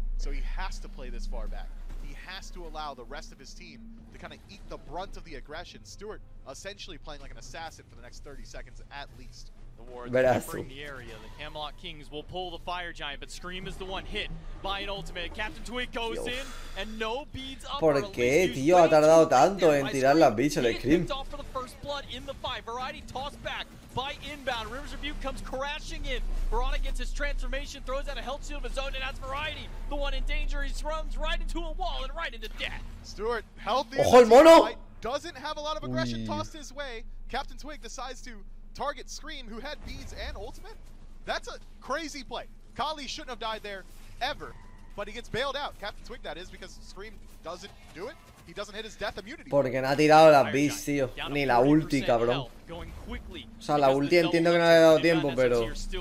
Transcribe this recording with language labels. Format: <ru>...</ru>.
<en>So he has to play this far back. He has to allow the rest of his team to kind of eat the brunt of the aggression. Stuart essentially playing like an assassin for the next 30 seconds at least. The war is in the area. The Camelot Kings will pull the Fire Giant, but Scream is the one hit by an ultimate. Captain Twig goes Dios. In, and no beads up.</en> <es>¿Por qué, tío, ha tardado tanto en tirar las bichas de Scream?</es> <en>Picked off for the first blood in the fight. Variety tossed back by inbound. Rivers Rebuke comes crashing in. Veronica gets his transformation, throws out a health shield of his own, and that's Variety, the one in danger. He runs right into a wall and right into death. Stuart, healthy.</en> <es>Ojo el mono.</es> <en>Doesn't have a lot of aggression tossed his way. Captain Twig decides to target Scream, who had beads and ultimate. That's a crazy play. Kali shouldn't have died there ever, but he gets bailed out. Captain Twig, that is, because Scream doesn't do it. He doesn't hit his death immunity.</en> <es>Porque no ha tirado las beads, tío. Ni la ulti, cabrón. O sea, la ulti entiendo que no le ha dado tiempo, pero</es>